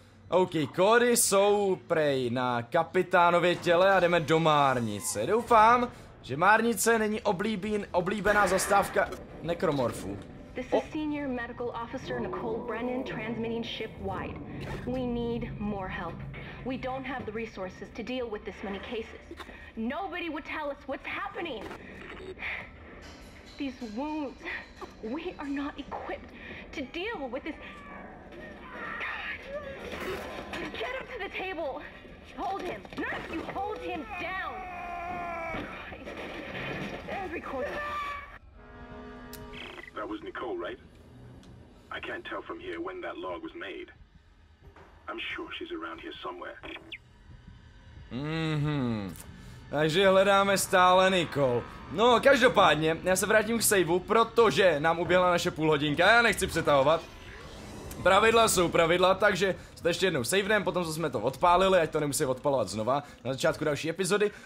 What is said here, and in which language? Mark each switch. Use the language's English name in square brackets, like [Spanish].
[Czech] Ok, kódy jsou prej na kapitánově těle a jdeme do Márnice. Doufám, že Márnice není oblíbená zastávka nekromorfů. [English] This is Senior Medical Officer Nicole Brennan transmitting ship-wide. We need more help. We don't have the resources to deal with this many cases. Nobody would tell us what's happening. These wounds. We are not equipped to deal with this. God! Get him to the table! Hold him! Nurse, you hold him down! Every corner. That was Nicole, right? I can't tell from here when that log was made. I'm sure she's around here somewhere. [Czech] Takže hledáme stále Nicole. No, každopádně, já se vrátím k saveu, protože nám uběhla naše půl hodinka a já nechci přetahovat. Pravidla jsou pravidla, takže jste ještě jednou savenem, potom jsme to odpálili, ať to nemusí odpalovat znova na začátku další epizody.